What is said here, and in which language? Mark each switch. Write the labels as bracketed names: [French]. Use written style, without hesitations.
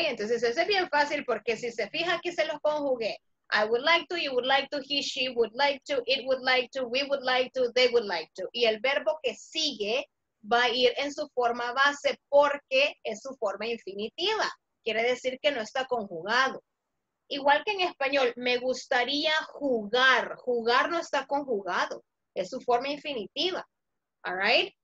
[Spanish] Entonces, ese es bien fácil porque si se fija aquí se los conjugué. [English] I would like to, you would like to, he, she would like to, it would like to, we would like to, they would like to. [Spanish] Y el verbo que sigue va a ir en su forma base porque es su forma infinitiva. Quiere decir que no está conjugado. Igual que en español, me gustaría jugar. Jugar no está conjugado. Es su forma infinitiva. All right?